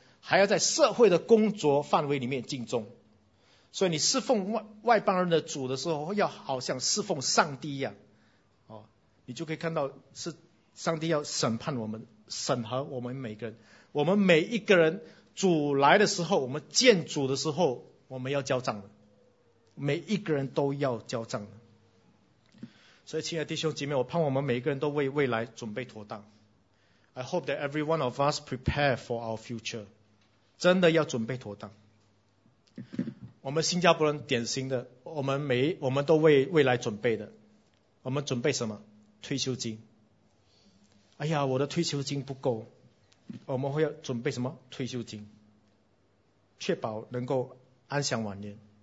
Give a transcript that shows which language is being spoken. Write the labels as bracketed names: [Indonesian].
[Chinese] 还要在社会的工作范围里面敬重，所以你侍奉外邦人的主的时候，要好像侍奉上帝一样，哦，你就可以看到是上帝要审判我们，审核我们每个人。我们每一个人主来的时候，我们见主的时候，我们要交账的，每一个人都要交账的。所以，亲爱的弟兄姐妹，我盼我们每一个人都为未来准备妥当。 [English] I hope that every one of us prepare for our future. [Chinese] 真的要准备妥当。我们新加坡人典型的，我们都为未来准备的。我们准备什么？退休金。哎呀，我的退休金不够，我们会要准备什么？退休金，确保能够安享晚年。